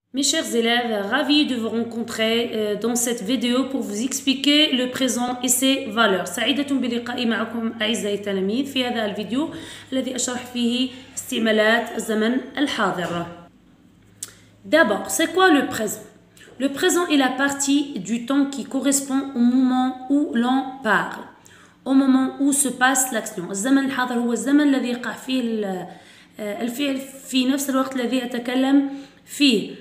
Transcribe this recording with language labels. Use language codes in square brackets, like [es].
[fr] Mes chers élèves, ravis de vous rencontrer dans cette vidéo pour vous expliquer le présent et ses valeurs. [ar] سعيدة بلقائي معكم أعزائي التلاميذ في هذا الفيديو الذي أشرح فيه استعمالات الزمن الحاضر. [fr] D'abord, c'est quoi le présent? Le présent est la partie du temps qui correspond au moment où l'on parle, au moment où se passe l'action. [ar] الزمن الحاضر هو الزمن الذي يقع فيه الفعل في نفس الوقت الذي أتكلم فيه.